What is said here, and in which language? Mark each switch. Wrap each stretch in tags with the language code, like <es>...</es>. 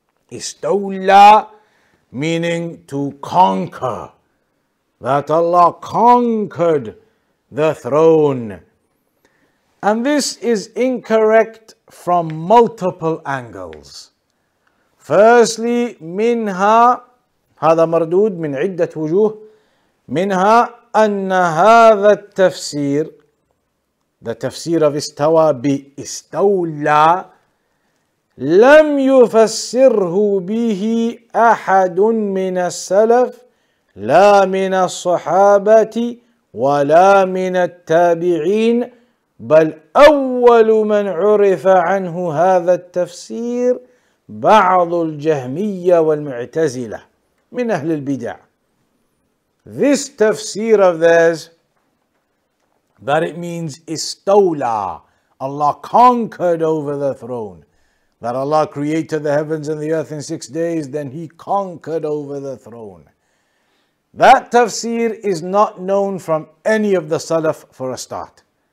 <en>Istawla meaning to conquer, that Allah conquered the throne. And this is incorrect from multiple angles.</en> <ar>Firstly, minha, هذا مردود من عدة وجوه, منها أن هذا التفسير,</ar> <en>the tafsir of</en> <ar>istawa bi istawla, لم يفسره به أحد من السلف لا من الصحابة ولا من التابعين بل أول من عرف عنه هذا التفسير بعض الجهمية والمعتزلة من أهل البدع.</ar> <en>This tafsir of theirs, that it means istawla, Allah conquered over the throne, that Allah created the heavens and the earth in 6 days, then He conquered over the throne. That tafsir is not known from any of the Salaf for a start.</en>